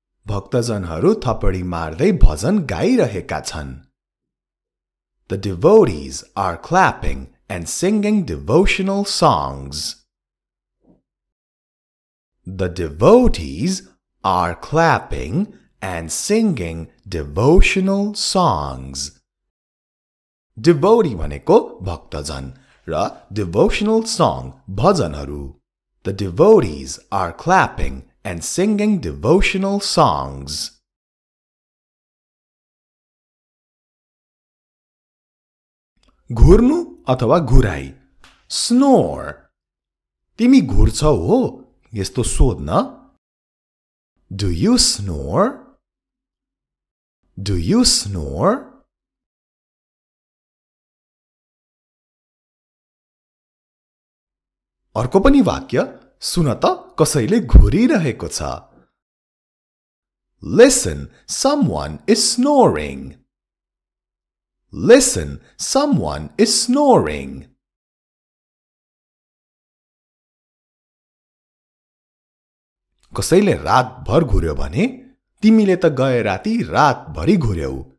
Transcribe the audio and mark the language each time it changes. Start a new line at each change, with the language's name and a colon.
Nepali: भक्तजनहरू थपडी मार्दै भजन गाइरहेका छन्।
English: The devotees are clapping and singing devotional songs. The devotees are clapping and singing devotional songs.
Nepali: Devotee भनेको भक्तजन र devotional song भजनहरू।
English: The devotees are clapping and singing devotional songs.
Nepali: घुर्नु अथवा घुराई।
English: Snore.
Nepali: तिमी घुर्छौ हो? यस्तो सोध्न।
English: Do you snore? Do you snore?
Nepali: अर्को पनि वाक्य सुन त कसैले घुरिरहेको छ।
English: Listen, someone is snoring. Listen, someone is snoring.
Nepali: कसैले रातभर घुर्यो भने तिमीले त गए राति रातभरि घुर्यौ।